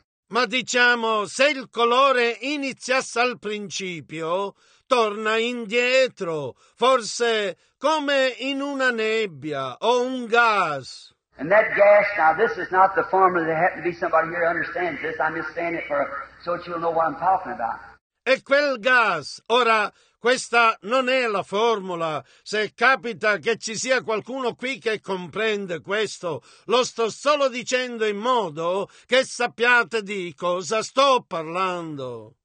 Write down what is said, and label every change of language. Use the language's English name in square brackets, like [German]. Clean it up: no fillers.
[Italian] Ma diciamo, se il colore iniziasse al principio, torna indietro, forse come in una nebbia o un gas. [English] And that gas, now this is not the formula that happened to be somebody here who understands this, I'm just saying it for so that you'll know what I'm talking about. [Italian] E quel gas, ora, questa non è la formula. Se capita che ci sia qualcuno qui che comprende questo, lo sto solo dicendo in modo che sappiate di cosa sto parlando.